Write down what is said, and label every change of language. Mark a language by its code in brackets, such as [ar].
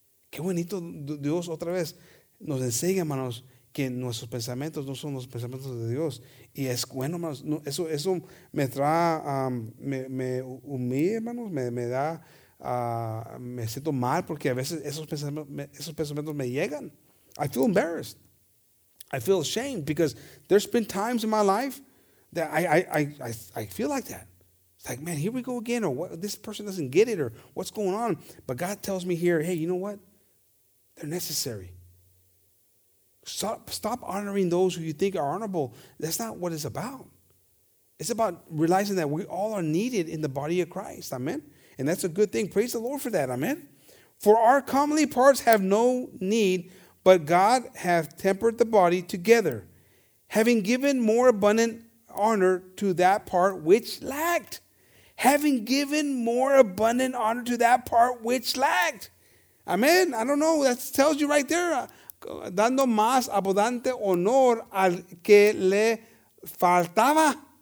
[es] Qué bonito Dios otra vez nos enseña, hermanos, que nuestros pensamientos no son los pensamientos de Dios. Y es bueno, hermanos, no, eso me trae, me humilla, hermanos, me da, me siento mal porque a veces esos pensamientos me llegan. [en] I feel embarrassed. I feel ashamed because there's been times in my life that I feel like that. It's like, man, here we go again, or what, this person doesn't get it, or what's going on? But God tells me here, hey, you know what? They're necessary. Stop honoring those who you think are honorable. That's not what it's about. It's about realizing that we all are needed in the body of Christ, amen? And that's a good thing. Praise the Lord for that, amen? For our comely parts have no need, but God hath tempered the body together, having given more abundant honor to that part which lacked. Having given more abundant honor to that part which lacked. Amen. I don't know. That tells you right there. [es] Dando más abundante honor al que le faltaba.